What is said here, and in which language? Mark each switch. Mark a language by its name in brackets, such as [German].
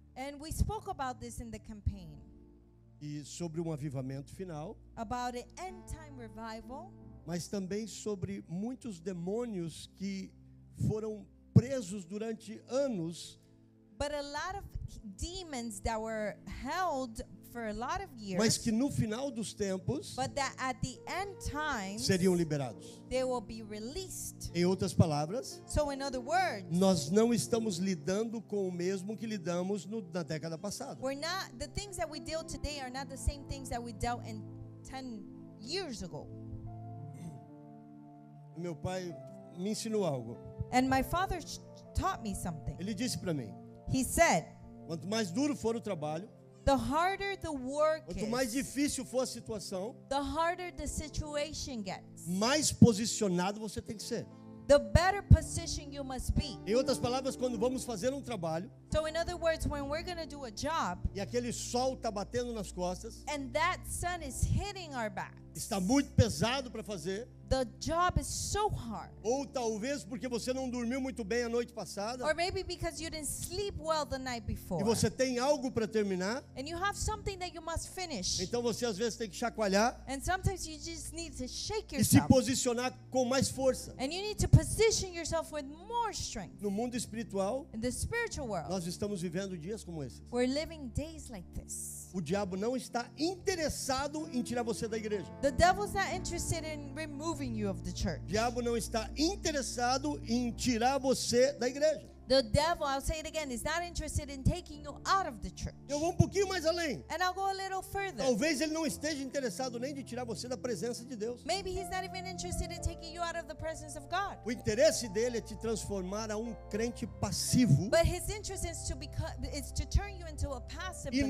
[English] And we spoke about this in the campaign. [Portuguese] E sobre um avivamento final. [English] About an end time revival. [Portuguese] Mas também sobre muitos demônios que foram presos durante anos. [English] But a lot of demons that were held for a lot of years. [Portuguese] Mas que no final dos tempos, [English] but that at the end times, [Portuguese] seriam liberados. [English] They will be released. [Portuguese] Em outras palavras, [English] so in other words, [Portuguese] nós não estamos lidando com o mesmo que lidamos na década passada. [English] We're not, the things that we deal today are not the same things that we dealt in 10 years ago. [Portuguese] Meu pai me ensinou algo. [English] And my father taught me something. [Portuguese] Ele disse para mim. [English] He said, [Portuguese] quanto mais duro for o trabalho, [English] the harder the work [Portuguese] quanto mais difícil for a situação, [English] the harder the situation gets. [Portuguese] Mais posicionado você tem que ser. [English] The better position you must be. [Portuguese] Em outras palavras, quando vamos fazer um trabalho, [English] so in other words, when we're going to do a job, [Portuguese] e aquele sol tá batendo nas costas, [English] and that sun is hitting our backs, [Portuguese] está muito pesado para fazer. [English] The job is so hard. [Portuguese] Ou talvez porque você não dormiu muito bem a noite passada. [English] Or maybe because you didn't sleep well the night before. [Portuguese] E você tem algo para terminar. [English] And you have something that you must finish. [Portuguese] Então você às vezes tem que chacoalhar. [English] And sometimes you just need to shake yourself. [Portuguese] E se posicionar com mais força. [English] And you need to position yourself with more strength. [Portuguese] No mundo espiritual. [English] In the spiritual world. [Portuguese] Nós estamos vivendo dias como esses. [English] We're living days like this. [Portuguese] O diabo não está interessado em tirar você da igreja. [English] The devil's not interested in removing you of the church. [Portuguese] Diabo não está interessado em tirar você da igreja. [English] The devil, I'll say it again, is not interested in taking you out of the church. [Portuguese] Eu vou um pouquinho mais além. [English] And I'll go a little further. [Portuguese] Talvez ele não esteja interessado nem de tirar você da presença de Deus. [English] Maybe he's not even interested in taking you out of the presence of God. [Portuguese] O interesse dele é te transformar a crente passivo. [English] But his interest is to become, is to turn you into a passive believer.